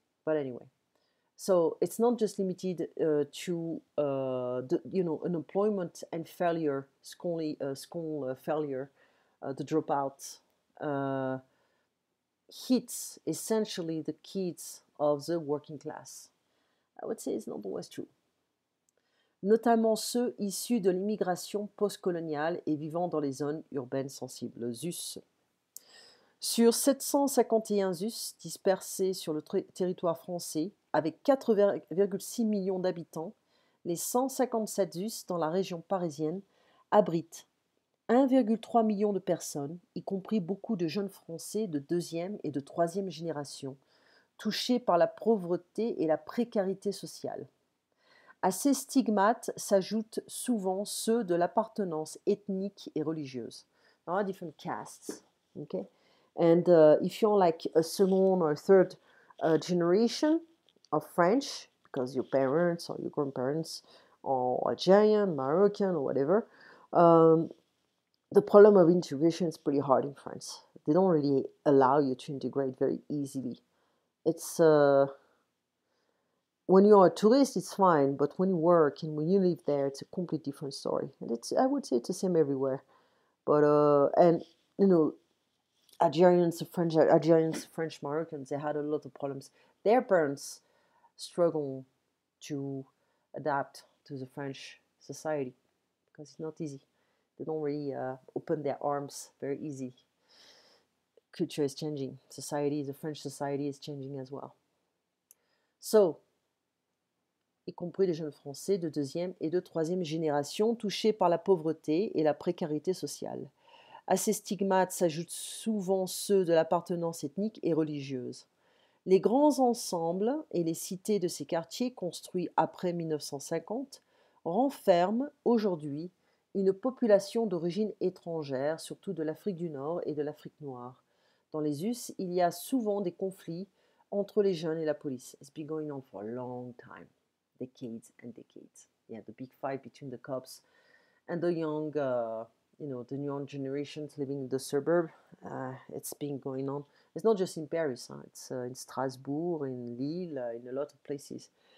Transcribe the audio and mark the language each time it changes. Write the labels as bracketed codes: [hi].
[en] But anyway, so it's not just limited to the, you know, unemployment and failure, school failure, the dropout hits essentially the kids of the working class. I would say it's not always true. [fr] notamment ceux issus de l'immigration postcoloniale et vivant dans les zones urbaines sensibles, ZUS. Sur 751 ZUS dispersés sur le territoire français, avec 4,6 millions d'habitants, les 157 ZUS dans la région parisienne abritent 1,3 million de personnes, y compris beaucoup de jeunes Français de deuxième et de troisième génération, touchés par la pauvreté et la précarité sociale. À ces stigmates s'ajoutent souvent ceux de l'appartenance ethnique et religieuse. Dans les différentes castes, ok? [en] And if you're like a second or third generation of French, because your parents or your grandparents are Algerian, Moroccan, or whatever, the problem of integration is pretty hard in France. They don't really allow you to integrate very easily. It's when you are a tourist, it's fine, but when you work and when you live there, it's a completely different story. And it's, I would say it's the same everywhere. But, and, you know, Algerians, French, Moroccans, they had a lot of problems. Their parents struggle to adapt to the French society because it's not easy. They don't really open their arms very easy. Culture is changing. Society, the French society is changing as well. [fr] So, y compris les jeunes Français de deuxième et de troisième génération touchés par la pauvreté et la précarité sociale. À ces stigmates s'ajoutent souvent ceux de l'appartenance ethnique et religieuse. Les grands ensembles et les cités de ces quartiers construits après 1950 renferment aujourd'hui une population d'origine étrangère, surtout de l'Afrique du Nord et de l'Afrique noire. Dans les US, il y a souvent des conflits entre les jeunes et la police. [en] It's been going on for a long time, decades and decades. Yeah, the big fight between the cops and the young, you know, the new generations living in the suburb. It's been going on. It's not just in Paris, huh? It's in Strasbourg, in Lille, in a lot of places.